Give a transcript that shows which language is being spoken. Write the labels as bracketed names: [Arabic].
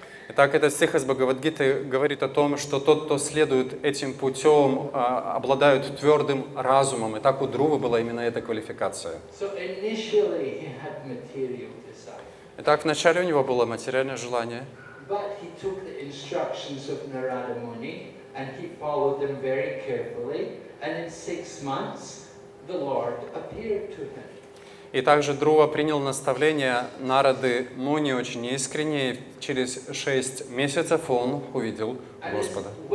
[Russian] Итак, этот стих из Бхагавад-гиты говорит о том, что тот, кто следует этим путем, обладает твердым разумом. Итак, у Друвы была именно эта квалификация. [English] So initially he had material desire. [Russian] Итак, вначале у него было материальное желание. [English] But he took the instructions of Narada Muni and he followed them very carefully. And in 6 months the Lord appeared to him. [Russian] И также Друва принял наставление Нарады Муни очень искренне, и через 6 месяцев он увидел Господа.